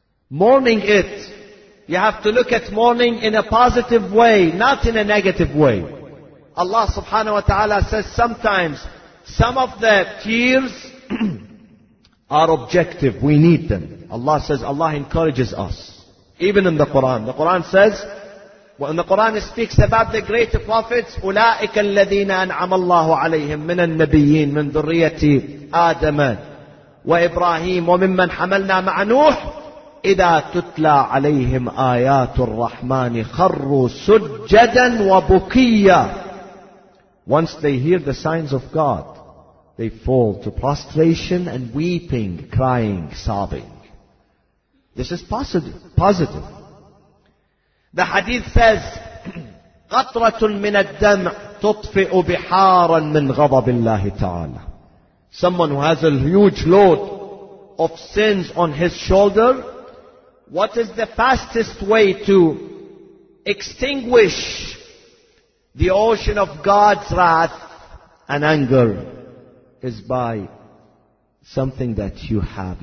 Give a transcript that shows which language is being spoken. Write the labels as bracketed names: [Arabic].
[English] Mourning it, you have to look at mourning in a positive way, not in a negative way. Allah subhanahu wa ta'ala says sometimes, some of the tears are objective, we need them. Allah says, Allah encourages us. Even in the Quran. The Quran says, when the Quran speaks about the great prophets, [Arabic] أُولَٰئِكَ الَّذِينَ أَنْعَمَ اللَّهُ عَلَيْهِمْ مِنَ النَّبِيِّينَ مِنْ ذُرِّيَّةِ آدَمَ وَإِبْرَاهِيمَ وَمِمَّنْ حَمَلْنَا مَعَ نُوحٍ إِذَا تُتْلَى عَلَيْهِمْ آيَاتُ الرَّحْمَنِ خَرُّوا سُجَّدًا وَبُكِيًّا. [English] Once they hear the signs of God, they fall to prostration and weeping, crying, sobbing. This is positive. The hadith says, [Arabic] قَطْرَةٌ مِنَ الدَّمْعِ تُطْفِئُ بِحَارًا مِنْ غَضَبِ اللَّهِ تَعَالَى. [English] Someone who has a huge load of sins on his shoulder, what is the fastest way to extinguish the ocean of God's wrath and anger? Is by something that you have.